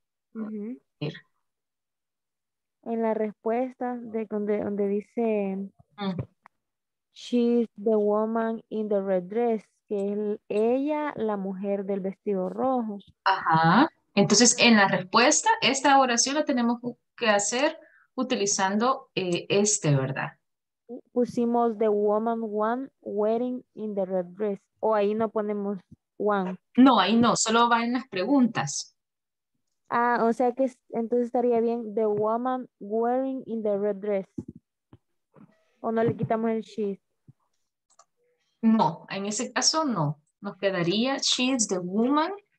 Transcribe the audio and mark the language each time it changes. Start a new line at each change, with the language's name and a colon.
Spanish: En la respuesta de donde dice
English: she's the woman in the red dress,
Spanish: que es ella la mujer del vestido rojo. Ajá. Entonces, en la respuesta, esta oración la tenemos que hacer utilizando ¿verdad?
English: Pusimos the woman one wearing in the red dress.
Spanish: O ahí no ponemos one. No, ahí no, solo va en las preguntas. Ah, o sea que entonces estaría bien
English: the woman wearing in the red dress.
Spanish: ¿O no le quitamos el she? No, en ese caso no. Nos quedaría
English: she is the woman.